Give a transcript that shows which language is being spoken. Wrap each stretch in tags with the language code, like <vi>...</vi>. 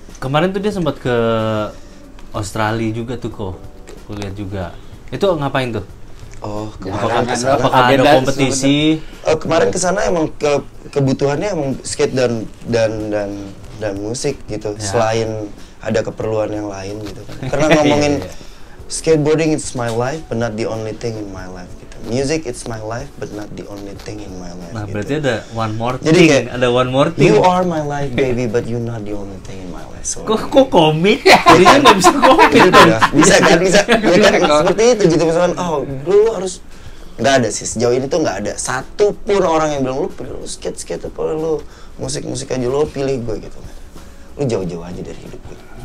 <id>Kemarin tuh dia sempat ke Australia juga tuh kok. Kulihat juga. Itu ngapain tuh? Oh, apakah ada kompetisi? Oh, kemarin kesana emang kebutuhannya emang skate dan musik gitu. Ya. Selain ada keperluan yang lain gitu. Karena ngomongin</id> <en>skateboarding it's my life, but not the only thing in my life. Gitu. Music it's my life, but not the only thing in my life.</en> <id>Nah, gitu. Berarti ada</id> <en>one more thing.</en> <id>Jadi kayak, ada one more thing.</id> <en>You are my life, baby, but you're not the only thing in my life. So,</en> <id>kok komik? Jadinya nggak bisa komik gitu, dong. Bisa kan? Bisa. Ya, kan? Seperti itu gitu misalkan. Oh, lu harus nggak ada sih. Sejauh ini tuh nggak ada satu pun orang yang bilang lu perlu skate apa lu musik aja lu pilih gue gitu. Lu jauh aja dari hidup gue.</id>